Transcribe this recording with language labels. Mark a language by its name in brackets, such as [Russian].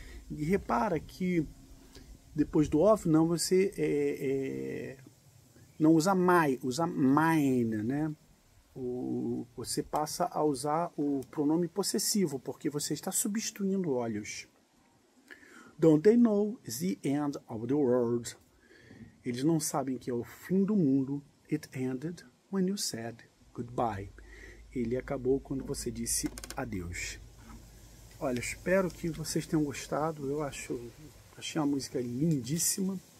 [Portuguese] E repara que depois do of, não, você não usa my, usa mine, né? Você passa a usar o pronome possessivo, porque você está substituindo olhos. [English] Don't they know it's the end of the world? [Portuguese] Eles não sabem que é o fim do mundo. [English] It ended when you said goodbye. [Portuguese] Ele acabou quando você disse adeus. Olha, espero que vocês tenham gostado. Eu achei a música lindíssima.